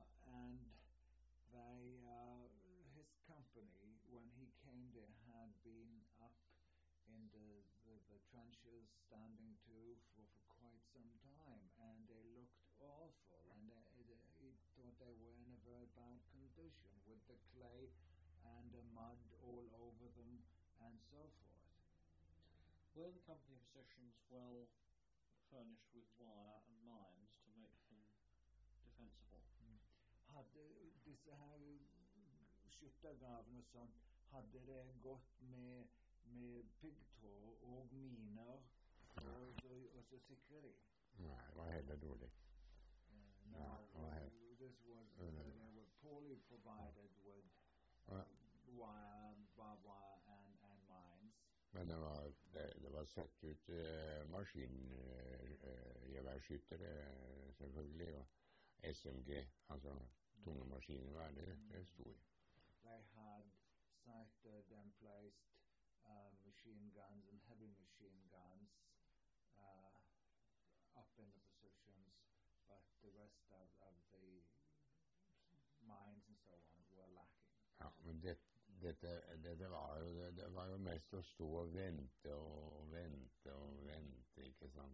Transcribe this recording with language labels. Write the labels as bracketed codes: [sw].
[en] and they, his company, when he came there, had been up in the trenches standing too for quite some time, and they looked awful, and he thought they were in a very bad condition with the clay and the mud all over them and so forth. Were the company positions well furnished with wire and mines to make them defensible? [no] Disse her skyttergravene og sånt, hadde det gått med piggtråd og miner, og så sikre de? Nei, det var heller dårlig. [en] This was they were poorly provided with wire, barbed wire, and mines. [no] Men det var satt ut maskingeværskyttere, selvfølgelig, og SMG, altså tunge maskiner, hva det? Det stod i. [en] They had sighted and placed machine guns and heavy machine guns up in the positions, but the rest of the mines and so on were lacking. [no] Ja, men det var jo mest å stå og vente og vente og vente, ikke sant?